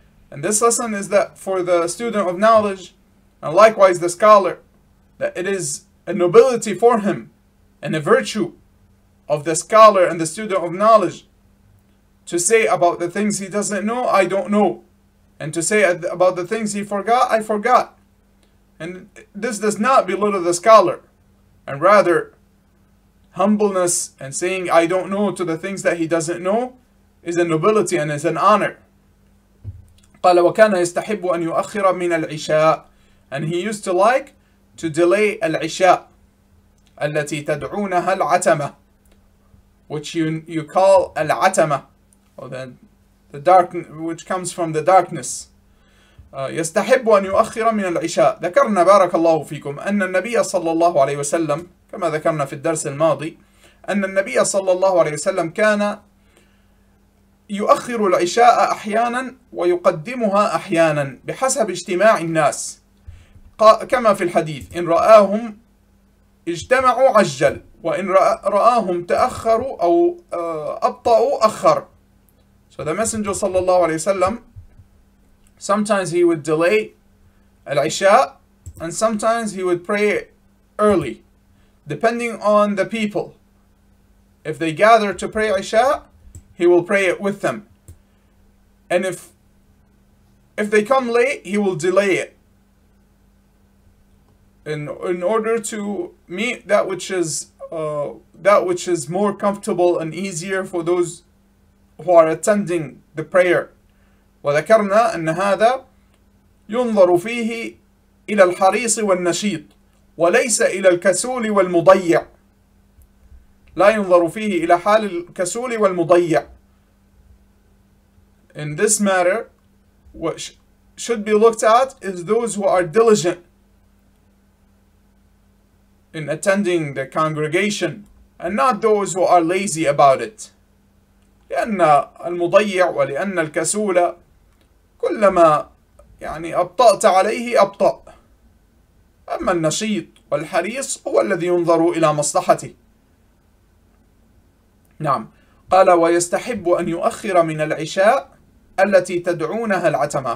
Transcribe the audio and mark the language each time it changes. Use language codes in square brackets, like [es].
[en] And this lesson is that for the student of knowledge, and likewise the scholar, that it is a nobility for him and a virtue of the scholar and the student of knowledge to say about the things he doesn't know, I don't know. And to say about the things he forgot, I forgot. And this does not belittle the scholar, and rather humbleness and saying I don't know to the things that he doesn't know is a nobility and is an honor. [ar] قال وكان يستحب أن يؤخر من العشاء. [en] And he used to like to delay [ar] العشاء التي تدعونها العتمة, [en] which you call العتمة, or the dark, which comes from the darkness. [ar] يستحب أن يؤخر من العشاء. ذكرنا بارك الله فيكم أن النبي صلى الله عليه وسلم, كما ذكرنا في الدرس الماضي, أن النبي صلى الله عليه وسلم كان يؤخر العشاء أحيانا ويقدمها أحيانا بحسب اجتماع الناس, كما في الحديث إن رآهم اجتمعوا عجل, وإن رآهم تأخروا أو أبطأوا أخر. [en] So the messenger صلى الله عليه وسلم, sometimes he would delay العشاء and sometimes he would pray early depending on the people. If they gather to pray Isha, he will pray it with them. And if they come late, he will delay it in order to meet that which is more comfortable and easier for those who are attending the prayer. [ar] وذكرنا أن هذا ينظر فيه إلى الحريص والنشيط وليس إلى الكسول والمضيع. لا ينظر فيه إلى حال الكسول والمضيع. [en] In this matter, what should be looked at is those who are diligent in attending the congregation, and not those who are lazy about it. [ar] لأن المضيع ولأن الكسول كلما يعني أبطأت عليه أبطأ. أما النشيط والحريص هو الذي ينظر إلى مصلحته. نعم. قال ويستحب أن يؤخر من العشاء التي تدعونها العتمة.